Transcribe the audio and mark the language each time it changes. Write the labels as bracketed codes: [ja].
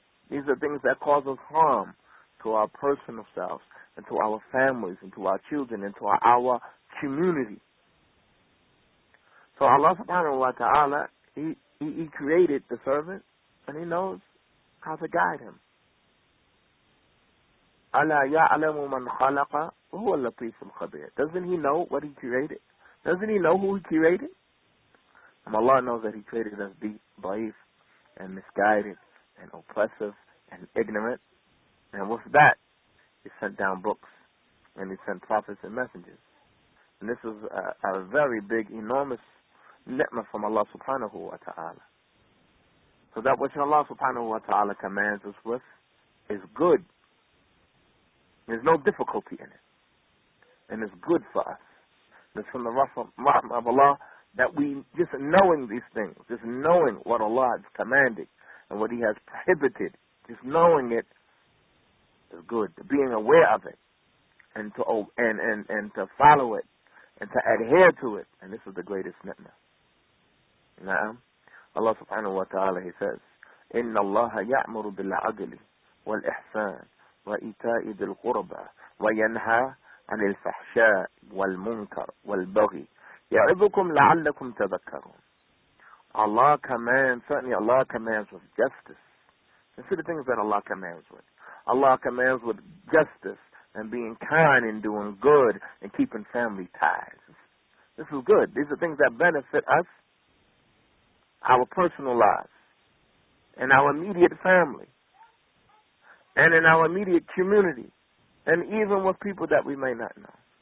[en] These are things that cause us harm to our personal selves and to our families and to our children and to our community. So Allah subhanahu wa ta'ala, he created the servant, and he knows how to guide him. [ar] أَلَا يَعْلَمُ مَنْ خَلَقَ وَهُوَ اللَّطِيفُ الْخَبِيرُ [en] Doesn't he know what he created? Doesn't he know who he created? And Allah knows that he created us ضعيف and misguided and oppressive and ignorant. And with that, he sent down books and he sent prophets and messengers. And this is a very big, enormous ni'mah from Allah subhanahu wa ta'ala. So that which Allah subhanahu wa ta'ala commands us with is good. There's no difficulty in it. And it's good for us. It's from the rahmah of Allah that we, just knowing these things, just knowing what Allah is commanding and what He has prohibited, just knowing it is good. Being aware of it and to follow it and to adhere to it. And this is the greatest ni'mah. Na'am. [ar] Allah subhanahu wa ta'ala, He says, إِنَّ اللَّهَ يَعْمُرُ بِالْعَدْلِ وَالْإِحْسَانِ وَإِيتَاءِ ذِي الْقُرْبَى وَيَنْهَى عَنِ الْفَحْشَاءِ وَالْمُنْكَرِ وَالْبَغْيِ يَعِظُكُمْ لَعَلَّكُمْ تَذَكَّرُونَ [en] Allah commands, certainly Allah commands with justice. Consider things that Allah commands with. Allah commands with justice and being kind and doing good and keeping family ties. This is good. These are things that benefit us, our personal lives, and our immediate family, and in our immediate community, and even with people that we may not know.